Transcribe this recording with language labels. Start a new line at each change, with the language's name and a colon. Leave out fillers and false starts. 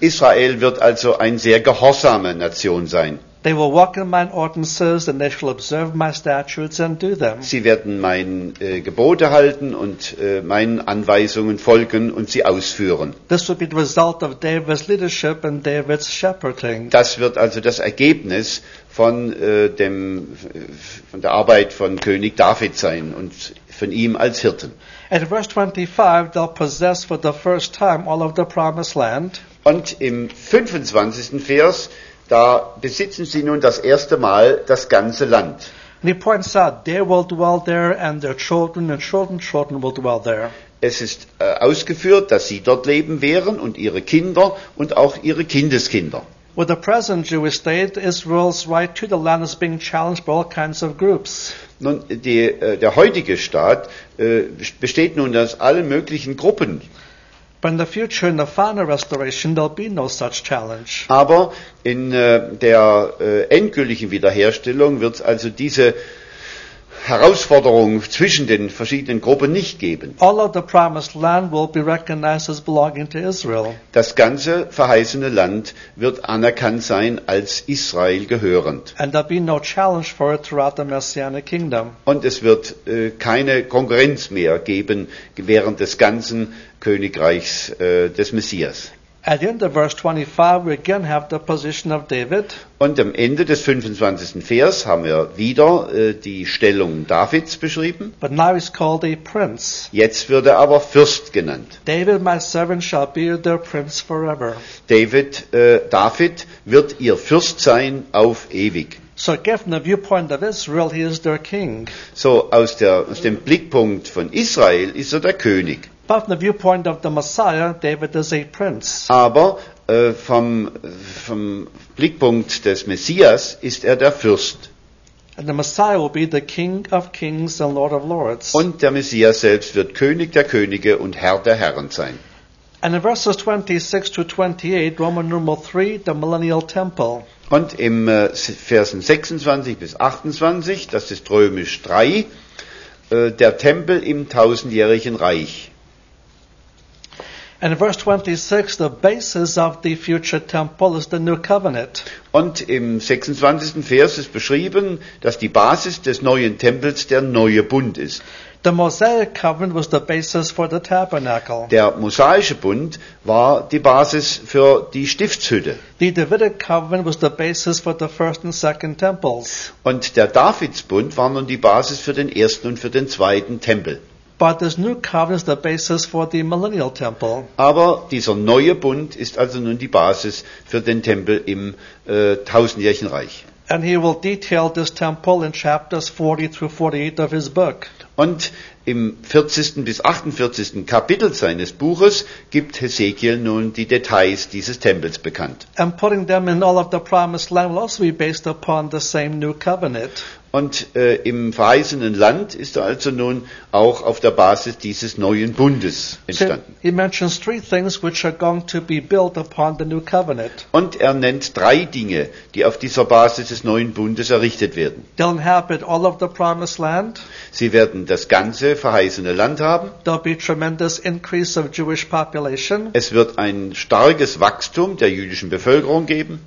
German: Israel wird also eine sehr gehorsame Nation sein.
English: They will walk in my ordinances and they shall observe my statutes and do them.
German: Sie werden meine Gebote halten und meinen Anweisungen folgen und sie ausführen.
English: This will be the result of David's leadership and David's shepherding.
German: Das wird also das Ergebnis von der Arbeit von König David sein und von ihm als Hirten.
English: At verse 25 they'll possess for the first time all of the promised land.
German: Und im 25. Vers da besitzen sie nun das erste Mal das ganze Land.
English: And he points out, they will dwell there and their children and children's children will dwell there.
German: Es ist ausgeführt, dass sie dort leben werden und ihre Kinder und auch ihre Kindeskinder.
English: With the present Jewish state, Israel's right to the land is being challenged by all kinds of groups.
German: Nun, der heutige Staat besteht nun aus allen möglichen Gruppen.
English: But in the future, in the final restoration, there'll be no such challenge.
German: Aber in der endgültigen Wiederherstellung wird es also diese Herausforderung zwischen den verschiedenen Gruppen nicht geben.
English: All of the promised land will be recognized as belonging to Israel.
German: Das ganze verheißene Land wird anerkannt sein als Israel gehörend.
English: And there'll be no challenge for it throughout the Messianic kingdom.
German: Und es wird keine Konkurrenz mehr geben während des ganzen Königreichs des Messias.
English: At the end of verse 25, we again have the position of David.
German: Und am Ende des 25. Vers haben wir wieder die Stellung Davids beschrieben.
English: But now he's called a prince.
German: Jetzt wird er aber Fürst genannt.
English: David, my servant, shall be their prince forever.
German: David, David wird ihr Fürst sein auf ewig.
English: So given the viewpoint of Israel, he is their king.
German: So aus dem Blickpunkt von Israel ist er der König.
English: But from the viewpoint of the Messiah, David is a prince.
German: Aber vom Blickpunkt des Messias ist er der Fürst.
English: And the Messiah will be the King of Kings and Lord of Lords.
German: Und der Messias selbst wird König der Könige und Herr der Herren sein.
English: And in verses 26 to 28, Roman numeral 3, the millennial temple.
German: Und im Versen 26 bis 28, das ist römisch 3, der Tempel im tausendjährigen Reich.
English: And in verse 26, the basis of the future temple is the new covenant.
German: Und im 26. Vers ist beschrieben, dass die Basis des neuen Tempels der neue Bund ist.
English: The Mosaic covenant was the basis for the tabernacle.
German: Der mosaische Bund war die Basis für die Stiftshütte.
English: The Davidic covenant was the basis for the first and second temples.
German: Und der Davidsbund war nun die Basis für den ersten und für den zweiten Tempel.
English: But this new covenant is the basis for the millennial temple.
German: Aber dieser neue Bund ist also nun die Basis für den Tempel im tausendjährigen Reich.
English: And he will detail this temple in chapters 40 through 48 of his book.
German: Und im 40. bis 48. Kapitel seines Buches gibt Hesekiel nun die Details dieses Tempels bekannt. And putting them in all of the promised land will also be based upon the same new covenant. Und im verheißenen Land ist er also nun auch auf der Basis dieses neuen Bundes entstanden. Und er nennt drei Dinge, die auf dieser Basis des neuen Bundes errichtet werden.
English: They'll inhabit all of the promised land.
German: Sie werden das ganze verheißene Land haben.
English: There'll be tremendous increase of Jewish population.
German: Es wird ein starkes Wachstum der jüdischen Bevölkerung geben.